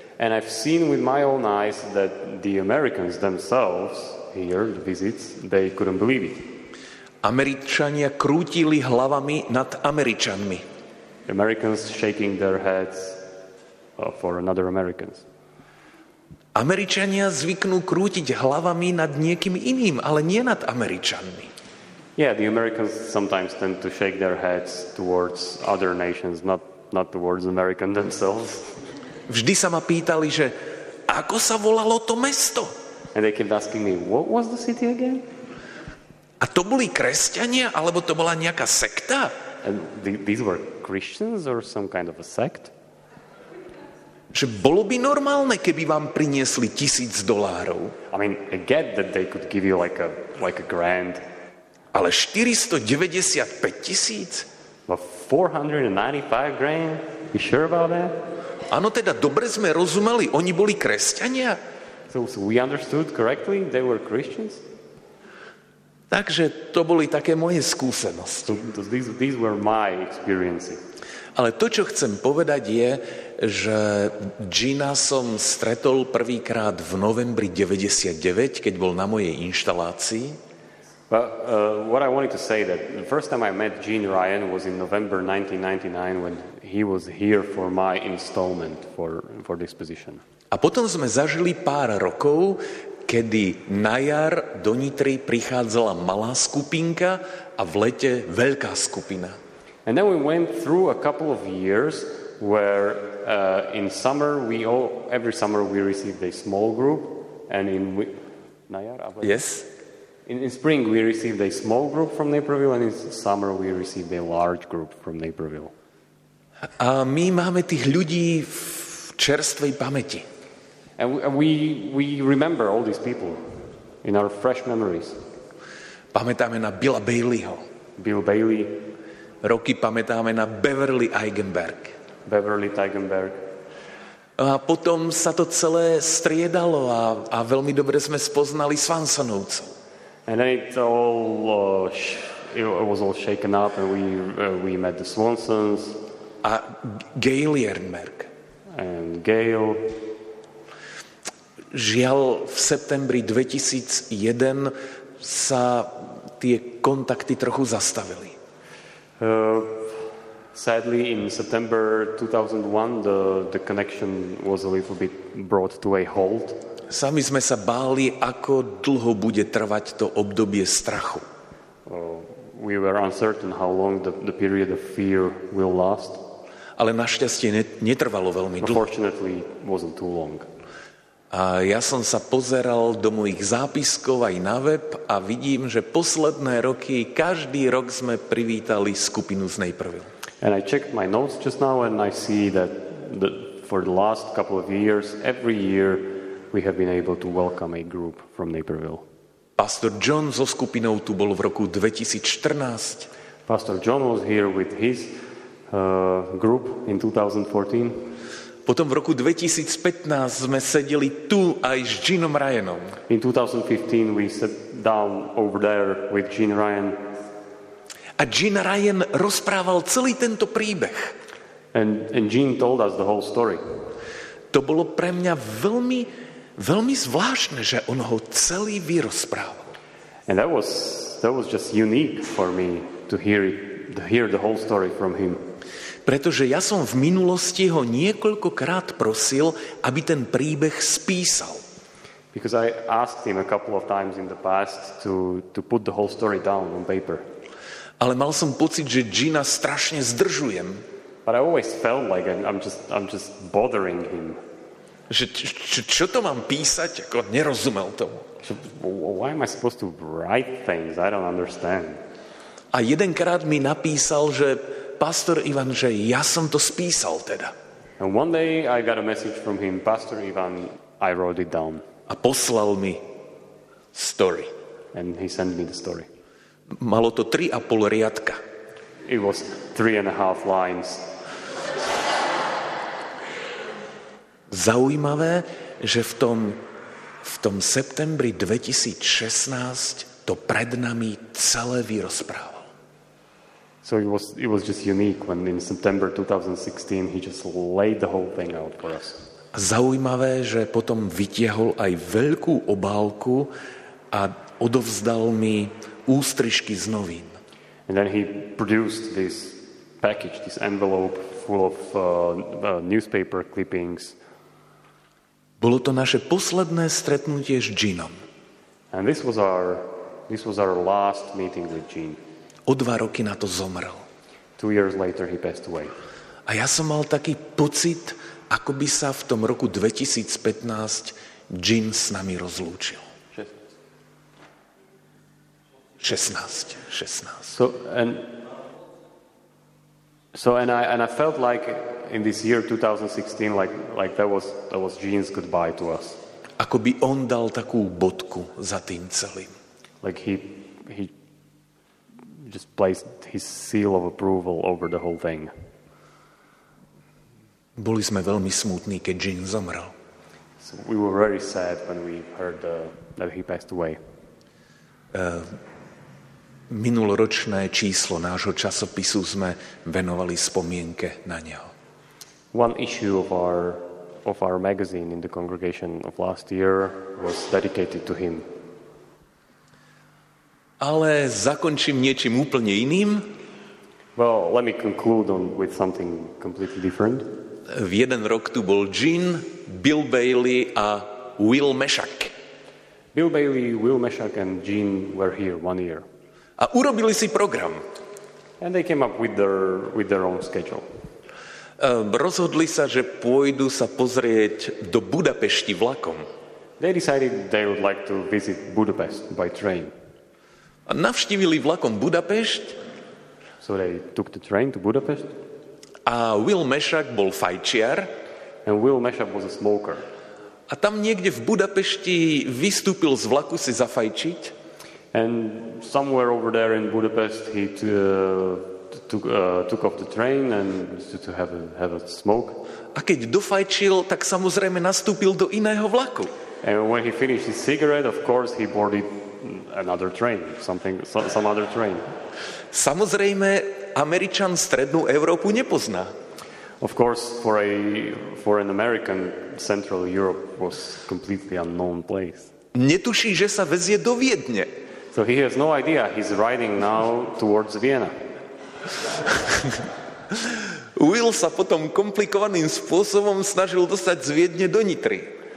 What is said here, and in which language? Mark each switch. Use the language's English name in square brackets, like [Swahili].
[English] And I've seen with my own eyes that the Americans themselves here, the visits, they couldn't believe it. [Slovak] Američania krútili hlavami nad Američanmi. [English] Americans shaking their heads for another Americans. [Slovak] Američania zvyknú krútiť hlavami nad niekým iným, ale nie nad Američanmi. [English] Yeah, the Americans sometimes tend to shake their heads towards other nations, not towards American themselves. [Slovak] Vždy sa ma pýtali, že ako sa volalo to mesto? [English] And they kept asking me, what was the city again? [Slovak] A to boli kresťania, alebo to bola nejaká sekta? [English] And these were Christians or some kind of a sect? [Slovak] Že bolo by normálne, keby vám priniesli $1,000. [English] I mean, I get that they could give you like a grand. [Slovak] Ale 495 tisíc? [English] But 495 grand? You sure about that? [Slovak] Ano, teda dobre sme rozumeli, oni boli kresťania. [English] So we understood correctly, they were Christians? [Slovak] Takže to boli také moje skúsenosti. [English] These were my experiences. [Slovak] Ale to, čo chcem povedať, je, že Gina som stretol prvýkrát v novembri 99, keď bol na mojej inštalácii. [English] But what I wanted to say that the first time I met Gene Ryan was in November 1999 when he was here for my installment for this position. [Slovak] A potom sme zažili pár rokov, kedy na jar do Nitry prichádzala malá skupinka a v lete veľká skupina. [English] And then we went through a couple of years where in summer we all, every summer we received a small group and in Nayar I Yes. In spring we received a small group from Naperville and in summer we received a large group from Naperville. [Slovak] A my máme tých ľudí v čerstvej pamäti. [English] And we remember all these people in our fresh memories. [Slovak] Pamätáme na Billa Baileyho. [English] Bill Bailey. [Slovak] Roky pamätáme na Beverly Eigenberg. [English] Beverly Eigenberg. [Slovak] A potom sa to celé striedalo a veľmi dobre sme spoznali Svansonovcov. [English] And then it was all shaken up and we met the Swansons. [Slovak] A Gail Ehrenberg. [English] And Gail. [Slovak] Žiaľ, v septembri 2001 sa tie kontakty trochu zastavili. [English] Sadly in September 2001 the connection was a little bit brought to a halt. [Slovak] Sami sme sa báli, ako dlho bude trvať to obdobie strachu. [English] We were uncertain how long the period of fear will last. [Slovak] Ale našťastie netrvalo veľmi dlho. [English] Unfortunately, wasn't too long. [Slovak] A ja som sa pozeral do mojich zápiskov aj na web a vidím, že posledné roky každý rok sme privítali skupinu z Naperville. [English] And I checked my notes just now and I see that for the last couple of years every year we have been able to welcome a group from Naperville. [Slovak] Pastor John so skupinou tu bol v roku 2014. [English] Pastor John was here with his group in 2014. [Slovak] Potom v roku 2015 sme sedeli tu aj s Jeanom Ryanom. [English] In 2015 we sat down over there with Jean Ryan. [Slovak] A Jean Ryan rozprával celý tento príbeh. [English] And Jean told us the whole story. [Slovak] To bolo pre mňa veľmi, veľmi zvláštne, že on ho celý vyrozprával. [English] And that was just unique for me to hear the whole story from him. [Slovak] Pretože ja som v minulosti ho niekoľkokrát prosil, aby ten príbeh spísal. [English] Because I asked him a couple of times in the past to put the whole story down on paper. [Slovak] Ale mal som pocit, že Gina strašne zdržujem. [English] But I always felt like I'm just bothering him. [Slovak] Že čo to mám písať, ako nerozumel tomu. [English] Why am I supposed to write things? I don't understand. [Slovak] A jedenkrát mi napísal, že Pastor Ivan, že ja som to spísal teda. [English] And one day I got a message from him, Pastor Ivan, I wrote it down. [Slovak] A poslal mi story. [English] And he sent me the story. [Slovak] Malo to 3,5 riadka. [English] It was 3.5 lines. [Slovak] Zaujímavé, že v tom septembri 2016 to pred nami celé vyrozprával. [English] So it was just unique when in September 2016 he just laid the whole thing out for us. [Slovak] Zaujímavé, že potom vytiahol aj veľkú obálku a odovzdal mi ústrižky z novín. [English] And then he produced this package, this envelope full of newspaper clippings. [Slovak] Bolo to naše posledné stretnutie s Jeanom. [English] And this was our last meeting with Jean. [Slovak] O 2 roky na to zomrel. [English] 2 years later he passed away. [Slovak] A ja som mal taký pocit, ako by sa v tom roku 2015 Jean s nami rozlúčil. [English] 16. So I felt like in this year 2016 like that was Jean's goodbye to us. [Slovak] Ako by on dal takú bodku za tým celým. [English] Like he just placed his seal of approval over the whole thing. [Slovak] Boli sme veľmi smutní, keď Jean zomrel. [English] So we were very sad when we heard that he passed away. [Slovak] Minuloročné číslo nášho časopisu sme venovali spomienke na neho. [English] One issue of our magazine in the congregation of last year was dedicated to him. [Slovak] Ale zakončím niečím úplne iným. [English] Well, let me conclude on with something completely different. [Slovak] V jeden rok tu bol Jean, Bill Bailey a Will Meshack. [English] Bill Bailey, Will Meshack and Jean were here 1 year. [Slovak] A urobili si program. [English] And they came up with their own schedule. [Slovak] Rozhodli sa, že pôjdu sa pozrieť do Budapešti vlakom. [English] They decided they would like to visit Budapest by train. [Slovak] A navštívili vlakom Budapešť. [English] So they took the train to Budapest. [Slovak] A Will Meshack bol fajčiar. [English] And Will Meshack was a smoker. [Slovak] A tam niekde v Budapešti vystúpil z vlaku si zafajčiť. [English] And somewhere over there in Budapest he took off the train and to have a smoke. [Slovak] A keď dofajčil, tak samozrejme nastúpil do iného vlaku. [English] And when he finished his cigarette, of course he boarded another train, some other train. [Slovak] Samozrejme Američan strednú Európu nepozná. [English] Of course for an American Central Europe was completely unknown place. [Slovak] Netuší, že sa vezie do Viedne. [English] So he has no idea he's riding now towards Vienna. [Slovak] Will sa potom komplikovaným spôsobom snažil dostať z Viedne do Nitry.